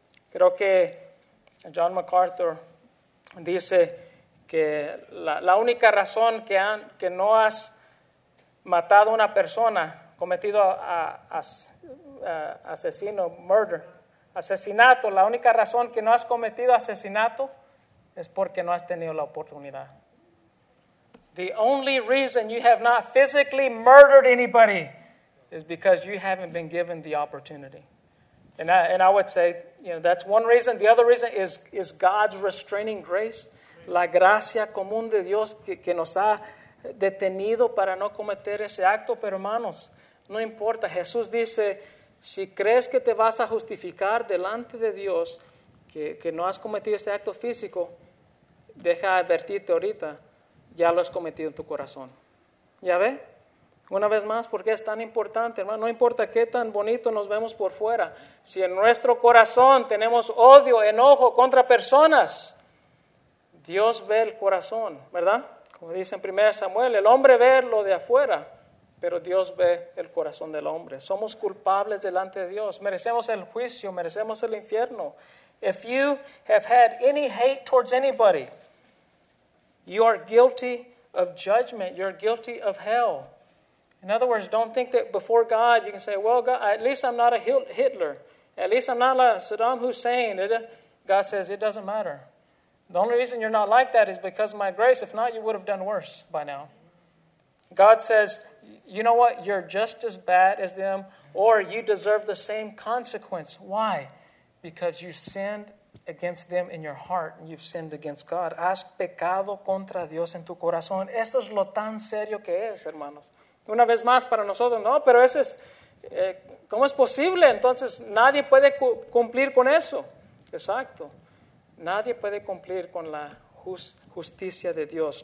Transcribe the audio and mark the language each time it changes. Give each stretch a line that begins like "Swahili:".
Spanish: Creo que John MacArthur dice que la única razón que no has matado a una persona, cometido asesinato, la única razón que no has cometido asesinato es porque no has tenido la oportunidad.
English: The only reason you have not physically murdered anybody is because you haven't been given the opportunity. And I would say, you know, that's one reason. The other reason is God's restraining grace.
Spanish: La gracia común de Dios que nos ha detenido para no cometer ese acto. Pero hermanos, no importa. Jesús dice, si crees que te vas a justificar delante de Dios, que no has cometido este acto físico, deja advertirte ahorita, ya lo has cometido en tu corazón. ¿Ya ve? Una vez más, ¿por qué es tan importante, hermano? No importa qué tan bonito nos vemos por fuera. Si en nuestro corazón tenemos odio, enojo contra personas, Dios ve el corazón, ¿verdad? Como dice en 1 Samuel, el hombre ve lo de afuera, pero Dios ve el corazón del hombre. Somos culpables delante de Dios. Merecemos el juicio, merecemos el infierno.
English: If you have had any hate towards anybody, you are guilty of judgment. You're guilty of hell. In other words, don't think that before God, you can say, well, God, at least I'm not a Hitler. At least I'm not a Saddam Hussein. God says, it doesn't matter. The only reason you're not like that is because of my grace. If not, you would have done worse by now. God says, you know what? You're just as bad as them, or you deserve the same consequence. Why? Because you sinned against them in your heart, and you've sinned against God.
Spanish: Has pecado contra Dios en tu corazón. Esto es lo tan serio que es, hermanos. Una vez más para nosotros, no, pero ese es, ¿cómo es posible? Entonces nadie puede cumplir con eso. Exacto. Nadie puede cumplir con la justicia de Dios.